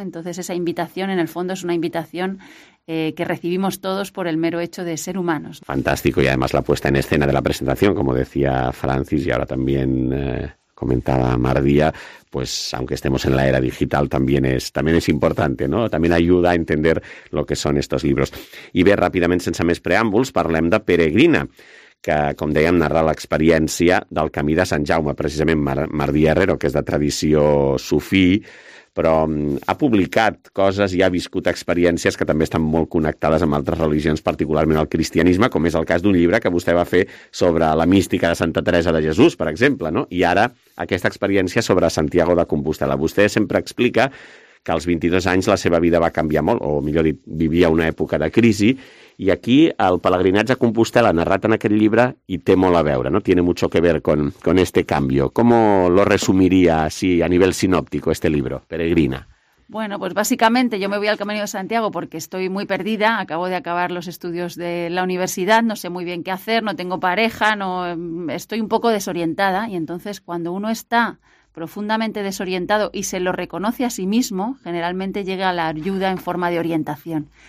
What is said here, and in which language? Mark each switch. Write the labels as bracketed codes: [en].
[es] Entonces esa invitación en el fondo es una invitación que recibimos todos por el mero hecho de ser humanos. Fantástico, y además la puesta en escena de la presentación, como decía Francis y ahora también comentaba Mardía, pues aunque estemos en la era digital también es importante, ¿no? También ayuda a entender lo que son estos libros. [ca] I bé, ràpidament, sense més preàmbuls, parlem de Peregrina, que, com dèiem, narra l'experiència del camí de Sant Jaume, precisament Mardía Herrero, que és de tradició sufí, però ha publicat coses i ha viscut experiències que també estan molt connectades amb altres religions, particularment el cristianisme, com és el cas d'un llibre que vostè va fer sobre la mística de Santa Teresa de Jesús, per exemple, no? I ara aquesta experiència sobre Santiago de Compostela. Vostè sempre explica que als 22 anys la seva vida va canviar molt, o millor dit, vivia una època de crisi, i aquí el pelegrinatge a Compostela, narrat en aquest llibre, hi té molt a veure, no? [es] Tiene mucho que ver con este cambio. ¿Cómo lo resumiría así a nivel sinóptico este libro, Peregrina? Bueno, pues básicamente yo me voy al Camino de Santiago porque estoy muy perdida, acabo de acabar los estudios de la universidad, no sé muy bien qué hacer, no tengo pareja, no, estoy un poco desorientada, y entonces cuando uno está profundamente desorientado y se lo reconoce a sí mismo, generalmente llega la ayuda en forma de orientación.